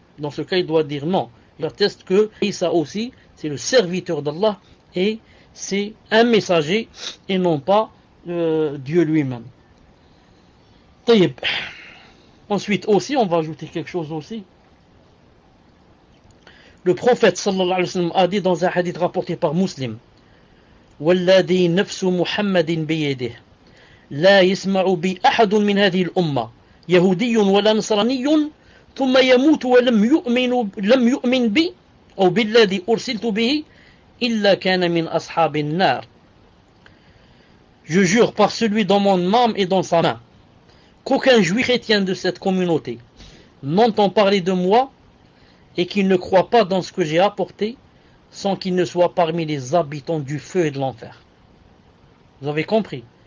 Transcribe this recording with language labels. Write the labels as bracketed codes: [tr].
[fr] Dans ce cas, il doit dire non. Il atteste que Isa aussi, c'est le serviteur d'Allah, et c'est un messager, et non pas Dieu lui-même. Taïb. Ensuite aussi, on va ajouter quelque chose aussi. Le prophète sallallahu alayhi wa sallam a dit dans un hadith rapporté par Muslim: [ar] والذي نفس محمد بيده لا يسمع بي أحد من هذه الأمة يهودي ولا نصراني ثم يموت ولم يؤمن بي أو بالذي أرسلت به إلا كان من أصحاب النار. [fr] Je jure par celui dont mon âme est dans sa main, qu'aucun juif chrétien de cette communauté n'entend parler de moi et qu'il ne croit pas dans ce que j'ai apporté sans qu'il ne soit parmi les habitants du feu et de l'enfer. Vous avez compris?